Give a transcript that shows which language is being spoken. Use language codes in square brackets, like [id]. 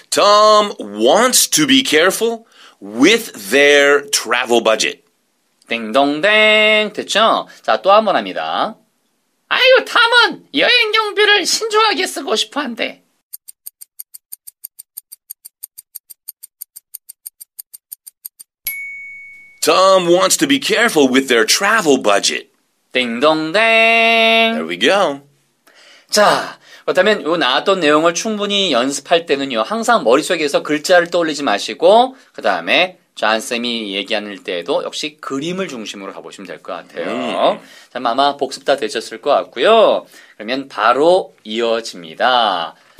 [en] Tom wants to be careful with their travel budget. [ko] 띵동댕. 됐죠? 자, 또 한 번 합니다. 아유, 탐은 여행 경비를 신중하게 쓰고 싶어 한대. [en] Tom wants to be careful with their travel budget. [ko] 띵동댕. [en] There we go. [ko] 자, 그렇다면 요 나왔던 내용을 충분히 연습할 때는요, 항상 머릿속에서 글자를 떠올리지 마시고 그 다음에 존쌤이 얘기하는 때에도 역시 그림을 중심으로 가보시면 될 것 같아요. 자, 아마 복습 다 되셨을 것 같고요. 그러면 바로 이어집니다.